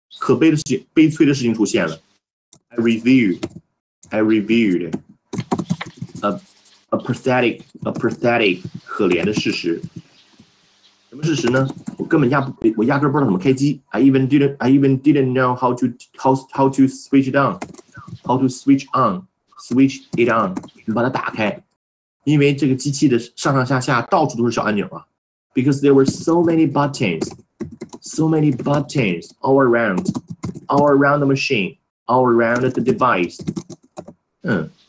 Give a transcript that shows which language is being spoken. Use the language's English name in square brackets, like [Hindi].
[Chinese] 可悲的事情，悲催的事情出现了。 I reviewed a pathetic 可怜的事实。什么事实呢？我压根不知道怎么开机。 [English] I even didn't know how to switch it on，把它打开。 [Chinese] 因为这个机器的上上下下到处都是小按钮啊。 [English] Because there were so many buttons all around the machine, all around the device.